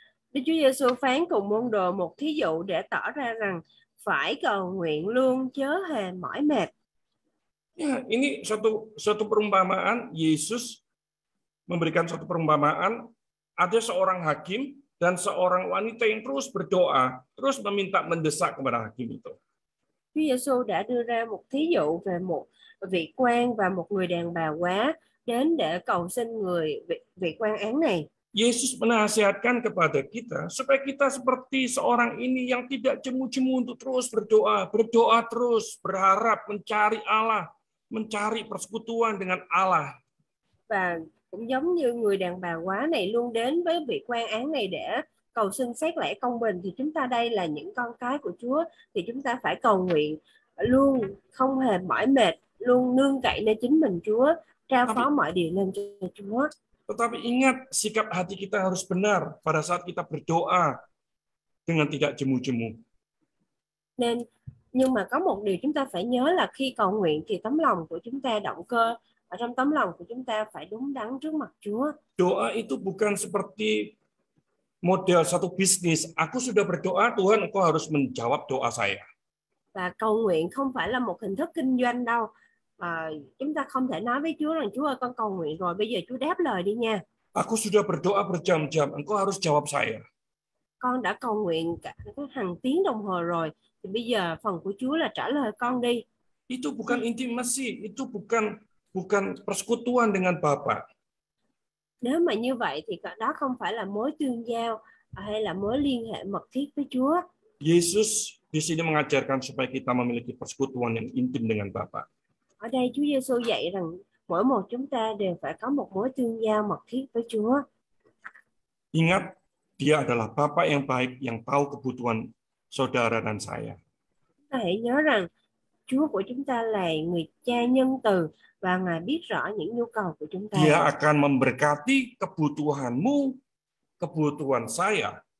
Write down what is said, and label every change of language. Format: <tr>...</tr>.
<vi>Đức Chúa Giêsu phán cùng môn đồ một thí dụ để tỏ ra rằng phải cầu nguyện luôn chớ hề mỏi mệt.</vi> <id>Ya, ini satu perumpamaan Yesus memberikan satu perumpamaan ada seorang hakim dan seorang wanita yang terus berdoa, terus meminta mendesak kepada hakim itu.</id> <vi>Yesus đã đưa ra một thí dụ về một vị quan và một người đàn bà quá đến để cầu xin người vị quan án này.</vi> <id>Yesus menasihatkan kepada kita supaya kita seperti seorang ini yang tidak cemu-cemu untuk terus berdoa, berdoa terus, berharap mencari Allah, mencari persekutuan dengan Allah.</id> <vi>Và cũng giống như người đàn bà quá này luôn đến với vị quan án này để cầu xin xét lẽ công bình thì chúng ta đây là những con cái của Chúa thì chúng ta phải cầu nguyện luôn không hề mỏi mệt, luôn nương cậy nơi chính mình Chúa, trao phó mọi điều lên cho Chúa.</vi> <id>Tetapi ingat sikap hati kita harus benar pada saat kita berdoa dengan tidak jemu-jemu.</id> <vi>Nên nhưng mà có một điều chúng ta phải nhớ là khi cầu nguyện thì tấm lòng của chúng ta động cơ ở trong tấm lòng của chúng ta phải đúng đắn trước mặt Chúa.</vi> <id>Doa itu bukan seperti model satu bisnis. Aku sudah berdoa, Tuhan, Engkau harus menjawab doa saya.</id> <vi>Và cầu nguyện không phải là một hình thức kinh doanh đâu. Chúng ta không thể nói với Chúa rằng Chúa ơi con cầu nguyện rồi bây giờ Chúa đáp lời đi nha.</vi> <id>Aku sudah berdoa berjam-jam, Engkau harus jawab saya.</id> <vi>Con đã cầu nguyện cả hàng tiếng đồng hồ rồi. Thì bây giờ phần của Chúa là trả lời con đi.</vi> <id>Itu bukan intimasi, itu bukan persekutuan dengan Bapa.</id> <vi>Nếu mà như vậy thì đó không phải là mối tương giao hay là mối liên hệ mật thiết với Chúa.</vi> <id>Yesus di sini mengajarkan supaya kita memiliki persekutuan yang intim dengan Bapa.</id> <vi>Ở đây Chúa Giêsu dạy rằng mỗi một chúng ta đều phải có một mối tương giao mật thiết với Chúa.</vi> <id>Ingat, Dia adalah Bapa yang baik yang tahu kebutuhan saudara dan saya.</id> <vi>Hãy nhớ rằng Chúa của chúng ta là người Cha nhân từ và Ngài biết rõ những nhu cầu của chúng ta.</vi> <id>Dia akan memberkati kebutuhanmu, kebutuhan saya.</id>